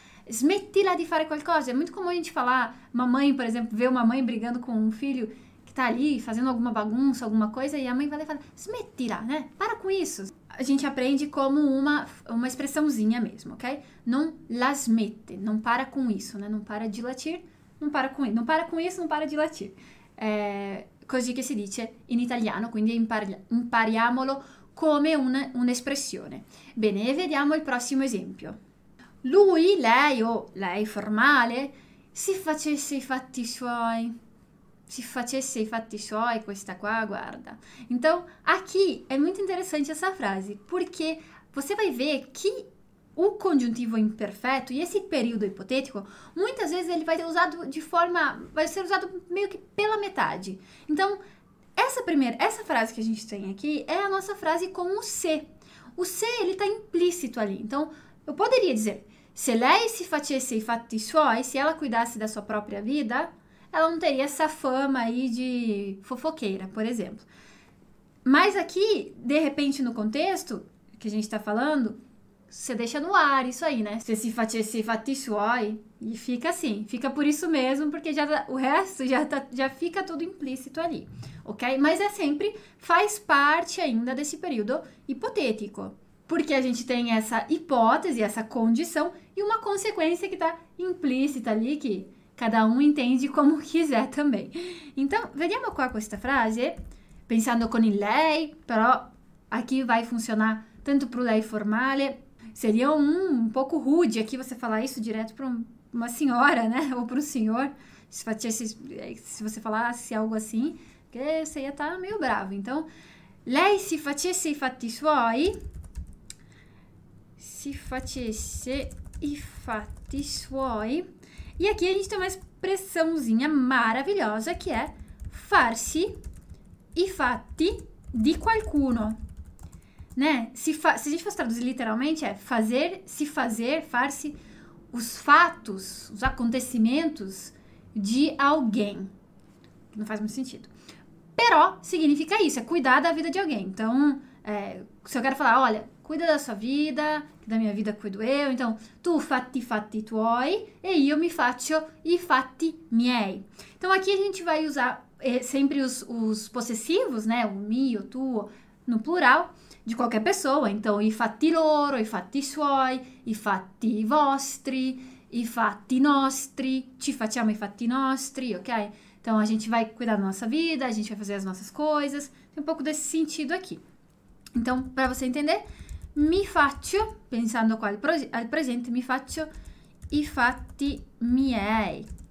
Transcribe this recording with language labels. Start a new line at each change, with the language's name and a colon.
Italian: Smettila di fare qualcosa.
Portuguese: É muito comum a gente falar, mamãe, por exemplo, ver uma mãe brigando com um filho que tá ali fazendo alguma bagunça, alguma coisa, e a mãe vai lá e fala, smettila, né? Para com isso. A gente aprende como uma expressãozinha mesmo, ok?
Italian: Non la smette,
Portuguese: não para com isso, né? Não para de latir, não para com isso, não para com isso, não para de latir.
Italian: É così che si dice in italiano, quindi impariamolo come un'espressione. Bene, vediamo il prossimo esempio. Lui, lei o lei formale, si facesse i fatti suoi. Si facesse i fatti suoi, questa qua, guarda.
Portuguese: Então, aqui é muito interessante essa frase, porque você vai ver que o congiuntivo imperfeito e esse período ipotético, muitas vezes ele vai ser usado de forma, vai ser usado meio que pela metade. Então, essa frase que a gente tem aqui é a nossa frase com o se. O se, ele está implícito ali. Então, eu poderia dizer,
Italian: se lei si facesse i fatti suoi,
Portuguese: se ela cuidasse da sua própria vida, ela não teria essa fama aí de fofoqueira, por exemplo. Mas aqui, de repente, no contexto que a gente está falando, você deixa no ar isso aí, né?
Italian: Se si facesse i fatti suoi,
Portuguese: e fica assim, fica por isso mesmo, porque já o resto já, tá, já fica tudo implícito ali, ok? Mas é sempre, faz parte ainda desse período hipotético, porque a gente tem essa hipótese, essa condição e uma consequência que está implícita ali, que cada um entende como quiser também.
Italian: Então, vediamo qua questa frase, pensando con il lei, però
Portuguese: aqui vai funcionar tanto pro
Italian: lei formale.
Portuguese: Seria um pouco rude aqui você falar isso direto para uma senhora, né? Ou para um senhor. Se você falasse algo assim, que você ia estar meio bravo.
Italian: Então, lei si facesse i fatti suoi. Si facesse i fatti suoi.
Portuguese: E aqui a gente tem uma expressãozinha maravilhosa que é
Italian: farsi i fatti di qualcuno.
Portuguese: Né? Se a gente fosse traduzir literalmente, é farsi os fatos, os acontecimentos de alguém. Não faz muito sentido. Però significa isso, é cuidar da vida de alguém. Então, se eu quero falar, olha, cuida da sua vida, que da minha vida cuido eu.
Italian: Então, tu fatti i fatti tuoi e io mi faccio i fatti miei.
Portuguese: Então, aqui a gente vai usar sempre os possessivos, né? O mio, tuo, no plural, de qualquer pessoa.
Italian: Então, i fatti loro, i fatti suoi, i fatti vostri, i fatti nostri, ci facciamo i fatti nostri, ok?
Portuguese: Então, a gente vai cuidar da nossa vida, a gente vai fazer as nossas coisas. Tem um pouco desse sentido aqui. Então, para você entender,
Italian: mi faccio, pensando qua al presente, mi faccio i fatti miei.